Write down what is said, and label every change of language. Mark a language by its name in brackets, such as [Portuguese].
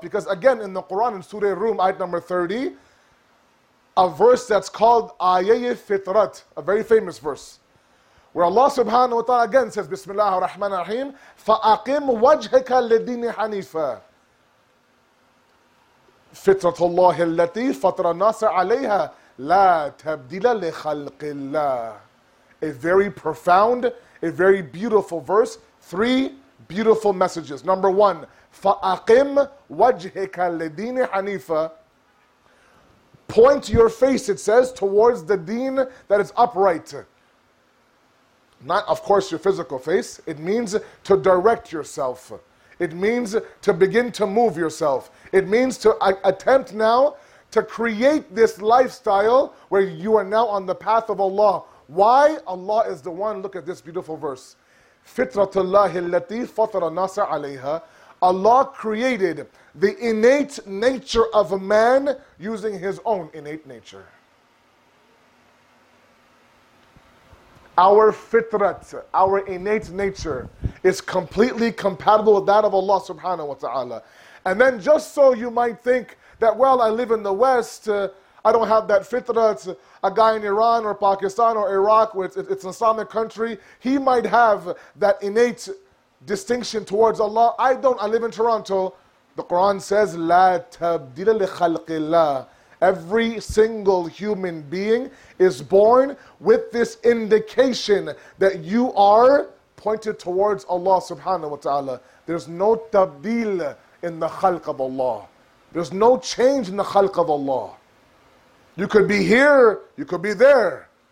[English] Because again, in the Quran, in Surah Rum, ayat number 30, a verse that's called Ayyi Fitrat, a very famous verse, where Allah subhanahu wa ta'ala again says, Bismillah ar-Rahman ar-Rahim, [Arabic] فَأَقِمْ وَجْهَكَ لِدِينِ حَنِيفًا فِتْرَةُ اللَّهِ الَّتِي فَتْرَ النَّاسَ عَلَيْهَا لَا تَبْدِلَ لِخَلْقِ اللَّهِ. [English] A very profound, a very beautiful verse. Three beautiful messages. Number one, [Arabic] فَأَقِمْ وَجْهِكَ لِدِينِ حَنِيفًا. [English] Point your face, it says, towards the deen that is upright. Not, of course, your physical face. It means to direct yourself. It means to begin to move yourself. It means to attempt now to create this lifestyle where you are now on the path of Allah. Why? Allah is the one. Look at this beautiful verse. [Arabic] Fitratullahi allati fatara nasa alayha. [English] Allah created the innate nature of a man using his own innate nature. Our fitrat, our innate nature, is completely compatible with that of Allah subhanahu wa ta'ala. And then just so you might think that, well, I live in the West, I don't have that fitrat. A guy in Iran or Pakistan or Iraq, where it's an Islamic country, he might have that innate distinction towards Allah. I don't, I live in Toronto. The Quran says, [Arabic] لا تبديل لخلق الله. [English] Every single human being is born with this indication that you are pointed towards Allah subhanahu wa ta'ala. There's no tabdil in the khalq of Allah. There's no change in the khalq of Allah. You could be here, you could be there.